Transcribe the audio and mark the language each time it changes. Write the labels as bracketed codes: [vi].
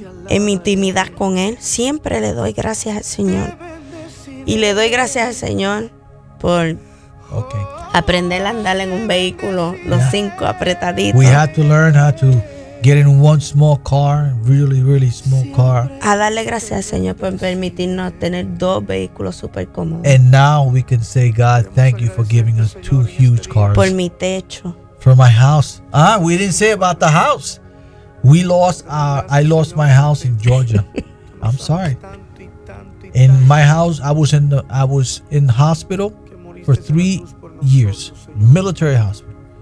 [es] En mi intimidad con él siempre le doy gracias al Señor. Y le doy gracias al Señor por aprender a andar en un vehículo los cinco apretaditos. [en] We had to learn how to get in one small car, really, really small car. [es] A darle gracias al Señor por permitirnos tener dos vehículos super cómodos. [en] And now we can say, God, thank you for giving us two huge cars. [es] Por mi techo. [en] For my house. Ah, we didn't say about the house. I lost my house in Georgia. I'm sorry. In my house, I was in the hospital for 3 years, military hospital.